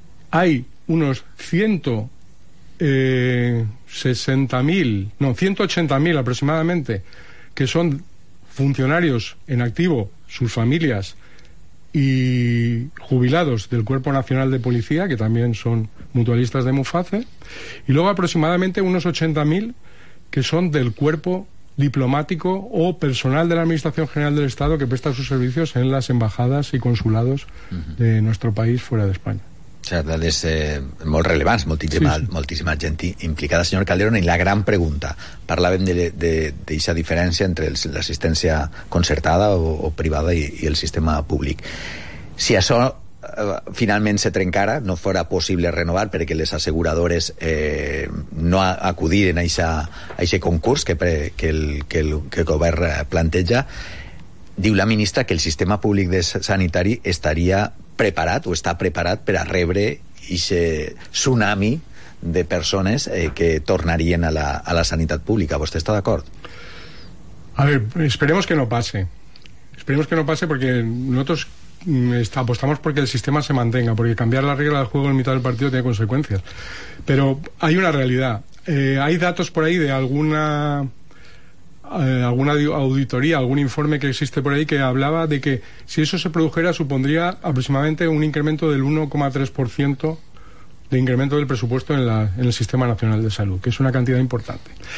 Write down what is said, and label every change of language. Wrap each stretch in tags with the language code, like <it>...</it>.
<es>Hay unos 180,000 aproximadamente, que son funcionarios en activo, sus familias y jubilados del Cuerpo Nacional de Policía, que también son mutualistas de MUFACE. Y luego aproximadamente unos 80,000 que son del cuerpo diplomático o personal de la Administración General del Estado que presta sus servicios en las embajadas y consulados de nuestro país fuera de España.</es> <ca>Certes, és molt relevant, moltíssima gent implicada. Senyor Calderón, i la gran pregunta, parlàvem d'aquesta diferència entre l'assistència concertada o privada i el sistema públic. Si això finalment se trencara, no fora possible renovar perquè les asseguradores no acudiren a aquest concurs que el govern planteja, diu la ministra que el sistema públic de sanitari estaria preparat o està preparat per a rebre aquest tsunami de persones que tornarien a la sanitat pública. Vostè està d'acord?</ca> <es>A ver, esperemos que no pase. Esperemos que no pase porque nosotros apostamos porque el sistema se mantenga, porque cambiar la regla del juego en mitad del partido tiene consecuencias. Pero hay una realidad. Hay datos por ahí de alguna auditoría, algún informe que existe por ahí que hablaba de que si eso se produjera supondría aproximadamente un incremento del 1,3% de incremento del presupuesto en el Sistema Nacional de Salud, que es una cantidad importante.</es>